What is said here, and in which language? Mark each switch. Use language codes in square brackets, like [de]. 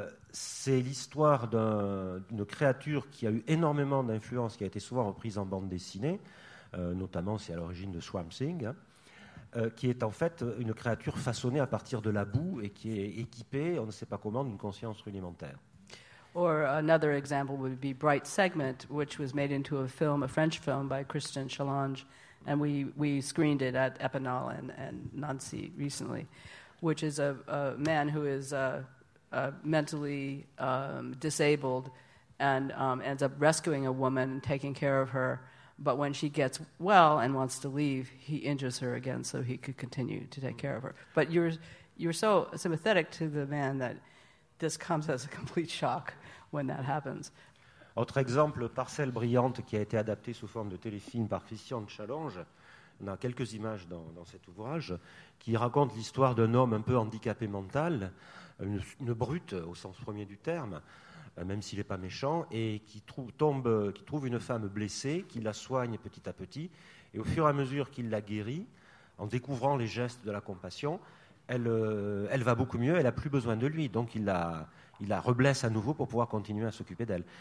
[fr] C'est l'histoire d'une créature qui a eu énormément d'influence, qui a été souvent reprise en bande dessinée, notamment c'est à l'origine de Swamp Thing, qui est en fait une créature façonnée à partir de la boue et qui est équipée, on ne sait pas comment, d'une conscience rudimentaire. [en] Or another example would be Bright Segment, which was made into a film, a French film, by Christian Challenge, and we screened it at Epinal and Nancy recently, which is a man who is mentally disabled and ends up rescuing a woman and taking care of her, but when she gets well and wants to leave, he injures her again so he could continue to take care of her. But you're so sympathetic to the man that this comes as a complete shock when that happens. [fr] Autre exemple, Parcelle brillante, qui a été adaptée sous forme de téléfilm par Christian Challenge. On a quelques images dans cet ouvrage qui raconte l'histoire d'un homme un peu handicapé mental, une brute au sens premier du terme, même s'il n'est pas méchant, et qui trouve une femme blessée, qui la soigne petit à petit, et au fur et à mesure qu'il la guérit, en découvrant les gestes de la compassion, elle va beaucoup mieux, elle n'a plus besoin de lui, donc il la reblesse à nouveau pour pouvoir continuer à s'occuper d'elle.